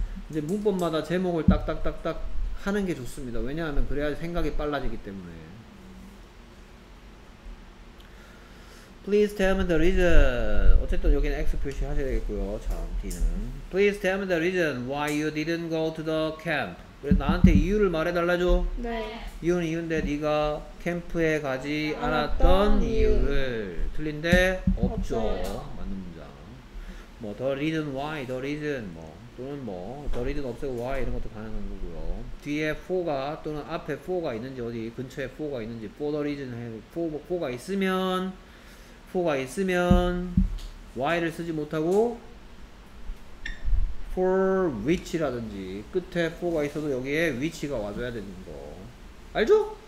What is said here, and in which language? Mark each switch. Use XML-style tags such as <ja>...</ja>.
<ko>이제 문법마다 제목을 딱딱딱딱 하는 게 좋습니다. 왜냐하면 그래야 생각이 빨라지기 때문에.</ko> <en>Please tell me the reason.</en> <ko>어쨌든 여기는 X 표시하셔야 되겠고요. 자, D는.</ko> <en>Please tell me the reason why you didn't go to the camp.</en> <ko>그래, 나한테 이유를 말해달라죠? 네. 이유는 이유인데 네가 캠프에 가지 않았던 이유를. 틀린데? 없죠. 없어요. 맞는 문장. 뭐, the reason why, the reason. 뭐. 또는 뭐 the reason 없애고 why 이런 것도 가능한 거고요. 뒤에 for가 또는 앞에 for가 있는지 어디 근처에 for가 있는지 for the reason for가 있으면 for가 있으면 why를 쓰지 못하고 for which라든지 끝에 for가 있어도 여기에 which가 와줘야 되는 거 알죠?</ko>